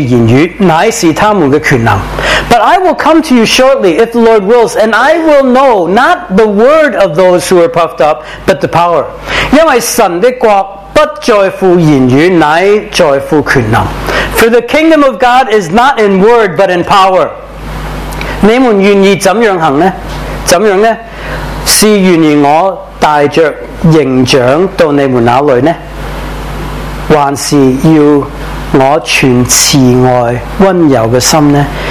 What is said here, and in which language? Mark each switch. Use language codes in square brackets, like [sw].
[zh] 然而主若许我，我必快到你们那里，并且我所要知道的不是那些自高自大之人的言语，乃是他们的权能。But [en] I will come to you shortly, if the Lord wills, and I will know not the word of those who are puffed up, but the power. [zh] 因为神的国不在乎言语，乃在乎权能。For [en] the kingdom of God is not in word, but in power. [zh] 你们愿意怎样行呢？怎样呢？是愿意我带着刑杖到你们那里呢？还是要我存慈爱温柔的心呢？